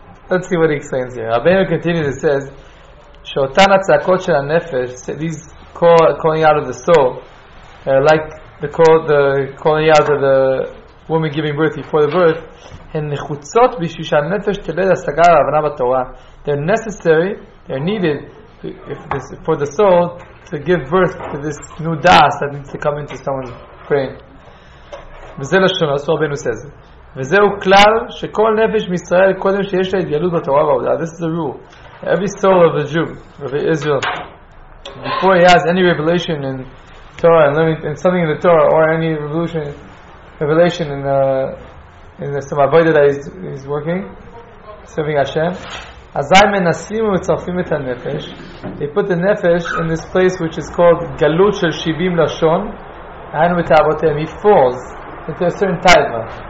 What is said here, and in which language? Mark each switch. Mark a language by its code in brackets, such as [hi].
[en] Let's see what he explains here. Rabbeinu continues, it says, [he] Shotan atzakot shel nefesh, [en] these calling out of the soul, like the calling out of the woman giving birth before the birth, [he] הן נחוצות בשביל שהנפש תלד השגה על ההבנה בתורה. [en] They're necessary, they're needed for the soul to give birth to this new das that needs to come into someone's brain. [he] וזה לשונה, סור בנו סז. וזהו כלל שכל נפש מישראל קודם שיש לה התגלות בתורה ועבודה. [en] This is the rule. Every soul of a Jew, of Israel, before he has any revelation in Torah and learning in something in the Torah or any revelation in some avodah that he's working, serving Hashem, [he] azay menasim u'tzarfim et hanefesh, [en] they put the nefesh in this place which is called galut shel shivim lashon, and with avotem, he falls into a certain taiva.